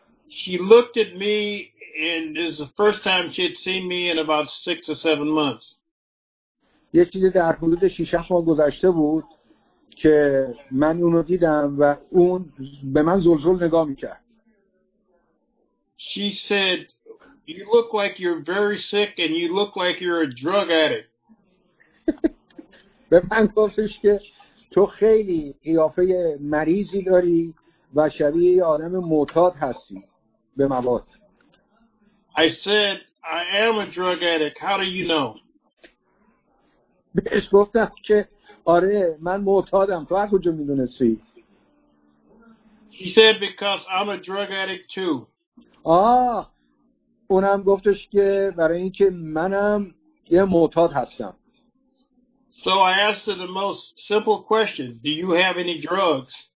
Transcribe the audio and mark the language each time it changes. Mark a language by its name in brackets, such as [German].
[English] She looked at me and this is the first time she had seen me in about 6 or 7 months. [Persian] یه چیزی در حدود 6-7 ماه گذشته بود که من اونو دیدم و اون به من زلزل نگاه میکرد. [English] She said, "You look like you're very sick and you look like you're a drug addict." [Persian] به من گفتش که تو خیلی قیافه مریضی داری و شبیه یه آدم معتاد هستی به مواد. [English] I said, "I am a drug addict. How do you know?" [Persian] بهش گفتم که آره من معتادم تو هر کجا میدونستی؟ [English] She said because I'm a drug addict too. [Persian] اونم گفتش که برای اینکه منم یه معتاد هستم. [English] So I asked her the most simple question, do you have any drugs?